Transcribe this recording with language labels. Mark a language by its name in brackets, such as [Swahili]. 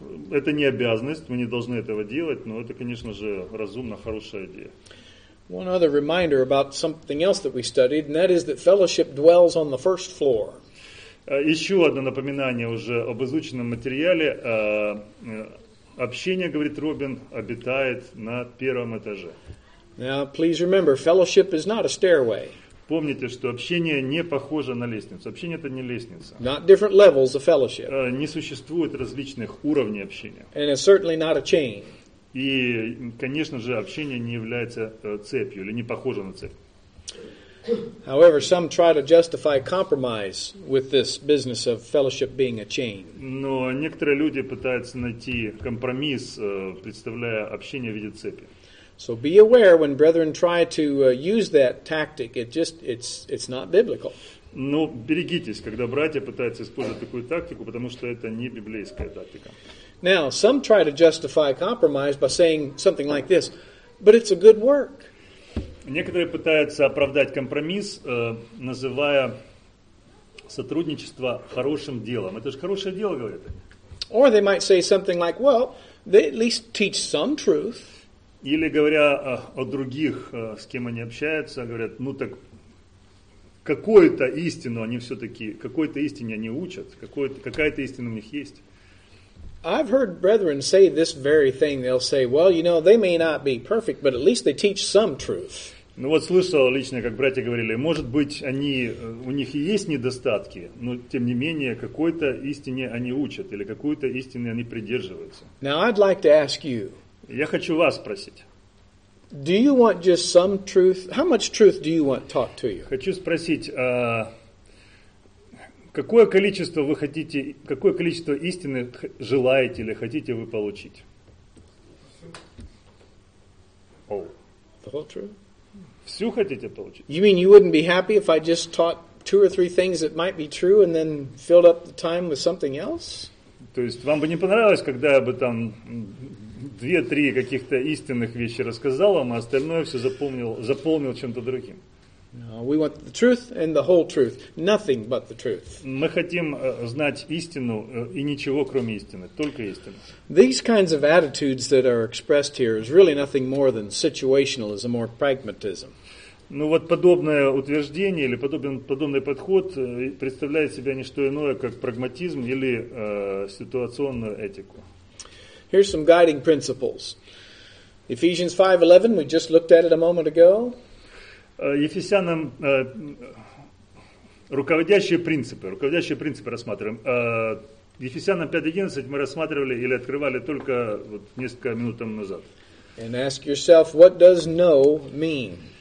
[Russian] Это не обязанность, мы не должны этого делать, но это, конечно же, разумно, хорошая идея. [English] One other reminder about something else that we studied, and that is that fellowship dwells on the first floor. [Russian] Еще одно напоминание уже об изученном материале. Общение, говорит Робин, обитает на первом этаже. [English] Now, please remember, fellowship is not a stairway. [Russian] Помните, что общение не похоже на лестницу. Общение – это не лестница. [English] Not different levels of fellowship. [Russian] Не существует различных уровней общения. [English] And it's certainly not a chain. [Russian] И, конечно же, общение не является цепью или не похоже на цепь. [English] However, some try to justify compromise with this business of fellowship being a chain. [Russian] Но некоторые люди пытаются найти компромисс, представляя общение в виде цепи. [English] So be aware when brethren try to use that tactic, it's not biblical. [Russian] Но берегитесь, когда братья пытаются использовать такую тактику, потому что это не библейская тактика. [English] Now, some try to justify compromise by saying something like this, but it's a good work. [Russian] Некоторые пытаются оправдать компромисс, называя сотрудничество хорошим делом. Это же хорошее дело, говорят они. [English] Or they might say something like, well, they at least teach some truth. [Russian] Или говоря о других, с кем они общаются, говорят, ну так какую-то истину они все-таки, какой-то истине они учат, какая-то истина у них есть. [English] I've heard brethren say this very thing. They'll say, well, you know, they may not be perfect, but at least they teach some truth. [Russian] Ну вот слышал лично, как братья говорили, может быть, они, у них и есть недостатки, но тем не менее, какой-то истине они учат или какую-то истину они придерживаются. [English] Now, I'd like to ask you. [Russian] Я хочу вас спросить. [English] Do you want just some truth? How much truth do you want taught to you? [Russian] Хочу спросить, какое количество вы хотите, какое количество истины желаете или хотите вы получить? Oh. [English] The whole truth? [Russian] Всю хотите получить? [English] You mean you wouldn't be happy if I just taught two or three things that might be true and then filled up the time with something else? [Russian] То есть вам бы не понравилось, когда я бы там две-три каких-то истинных вещи рассказал вам, а остальное все заполнил чем-то другим? [English] No, we want the truth and the whole truth, nothing but the truth. [Russian] Мы хотим знать истину и ничего кроме истины, только истину. [English] These kinds of attitudes that are expressed here is really nothing more than situationalism or pragmatism. [Russian] Ну вот подобное утверждение или подобный подход представляет себя не что иное, как прагматизм или ситуационную этику. [English] Here's some guiding principles. Ephesians 5:11, we just looked at it a moment ago. [Russian] Ефесянам руководящие принципы рассматриваем. Ефесянам 5:11 мы рассматривали или открывали только вот несколько минут назад. [English] And ask yourself, what does no mean?